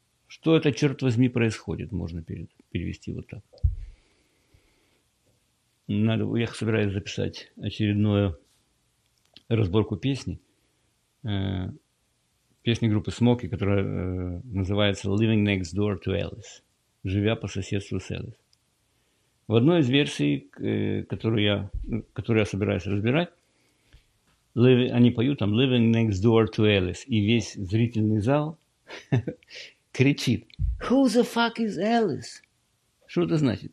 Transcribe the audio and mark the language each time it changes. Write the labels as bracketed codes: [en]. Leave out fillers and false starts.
[ru] Что это, черт возьми, происходит? Можно перевести вот так. Я собираюсь записать очередную разборку песни. Песни группы Smokey, которая называется Living Next Door to Alice. Живя по соседству с Элис. В одной из версий, которую я собираюсь разбирать, они поют там Living Next Door to Alice, и весь зрительный зал кричит: [en] Who the fuck is Alice? [ru] Что это значит?